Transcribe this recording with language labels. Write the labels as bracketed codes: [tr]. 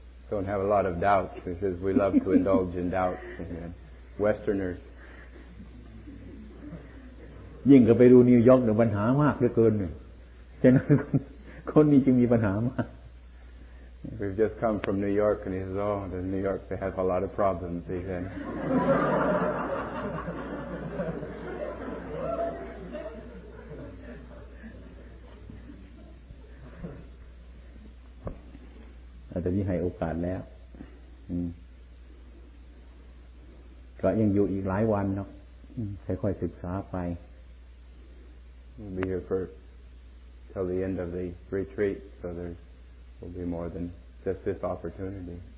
[en] Don't have a lot of doubts. He says we love to indulge in doubts. Westerners. [th] ยิ่งก็ไปดูนิวยอร์กเนี่ยปัญหามากเหลือเกินเนี่ยฉะนั้นคนนี้จึงมีปัญหามาก [en] We've just come from New York, and he says, "Oh, the New York they have a lot of problems." He said. [th] ตอนนี้ให้โอกาสแล้วก็ยังอยู่อีกหลายวันเนาะค่อยๆศึกษาไป [en] We'll be here for till the end of the retreat so there will be more than just this opportunity